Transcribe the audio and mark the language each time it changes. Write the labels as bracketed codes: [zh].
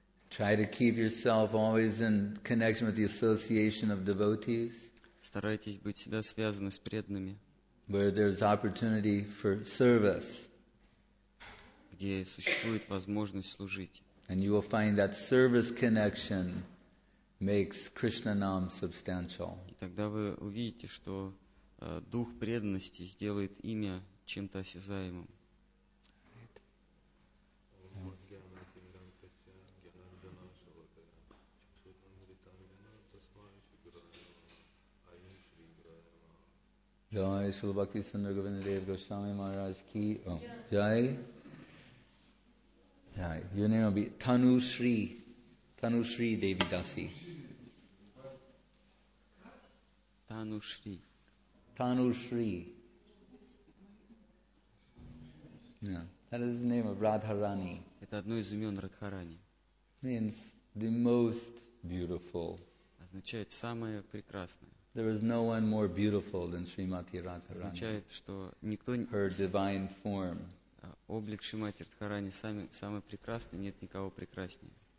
[en] Try to keep yourself always in connection with the association of devotees. [ru] Старайтесь быть всегда связаны с преданными. [en] Where there's opportunity for service. [ru] Где существует возможность служить. [en] And you will find that service connection makes Krishnanam substantial. [ru] И тогда вы увидите, что дух преданности сделает имя чем-то осязаемым. [en] Jai Srila Bhakti Sundara Govindadeva Goswami Maharaj ki. Oh. Jai. Jai. Your name will be Tanushri. Tanushri Devi Dasi. Tanushri. Tanushri. Yeah. That is the name of Radharani. [ru] Это одно из имен Радхарани. [en] Means the most beautiful. [ru] Означает самое прекрасное. [en] There is no one more beautiful than Srimati Radharani. [ru] Означает, что никто не. [en] Her divine form. [ru] Облик Шримати Радхарани самый прекрасный, нет никого прекраснее.